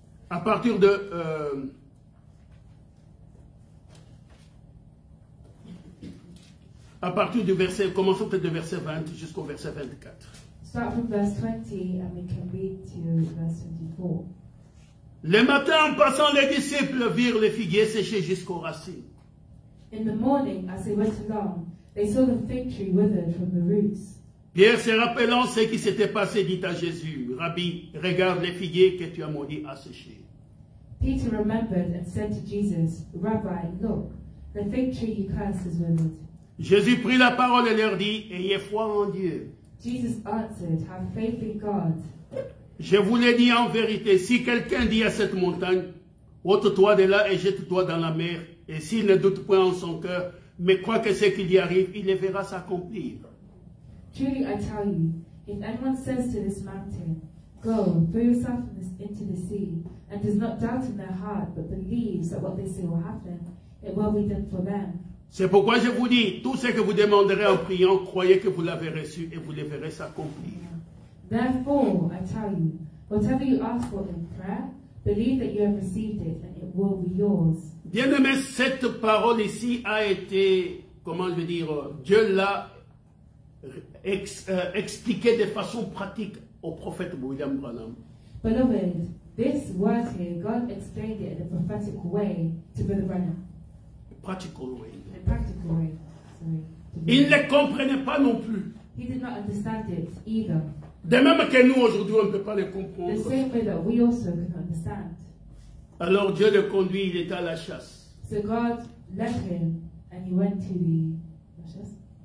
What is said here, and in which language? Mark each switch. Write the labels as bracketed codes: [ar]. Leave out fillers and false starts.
[fr] À partir de à partir du verset, commençons peut-être de verset 20 jusqu'au verset 24. [en] Start from verse 20 and we can read to verse 24. [fr] Le matin, en passant, les disciples virent les figuiers séchés jusqu'aux racines. [en] In the morning, as they went along, they saw the fig tree withered from the roots. [fr] Pierre se rappelant ce qui s'était passé, dit à Jésus, « Rabbi, regarde les figuiers que tu as maudits à sécher. » [en] Peter remembered and said to Jesus, « Rabbi, look, the fig tree you cursed is withered. » [fr] Jésus prit la parole et leur dit, « Ayez foi en Dieu. » [en] Jesus answered, « Have faith in God. » [fr] Je vous l'ai dit en vérité, si quelqu'un dit à cette montagne, « Ôte-toi de là et jette-toi dans la mer, et s'il ne doute point en son cœur, mais croit que ce qui lui arrive, il le verra s'accomplir. » [en] Truly I tell you, if anyone says to this mountain, go, throw yourself into the sea, and does not doubt in their heart, but believes that what they say will happen, it will be done for them. [fr] C'est pourquoi je vous dis, tout ce que vous demanderez en priant, croyez que vous l'avez reçu et vous le verrez s'accomplir. [en] Therefore, I tell you, whatever you ask for in prayer, believe that you have received it and it will be yours. [fr] Bien-aimé, cette parole ici a été, comment je veux dire, Dieu l'a expliquer de façon pratique au prophète William Branham. [en] Beloved, this word here, God explained it in a prophetic way to Brother Branham. A practical way. [fr] Il ne le comprenait pas non plus. [en] He did not understand it either. [fr] De même que nous aujourd'hui, on ne peut pas le comprendre. [en] The same way that we also cannot understand. [fr] Alors Dieu le conduit, il est à la chasse. [en] So God led him and he went to the chasse.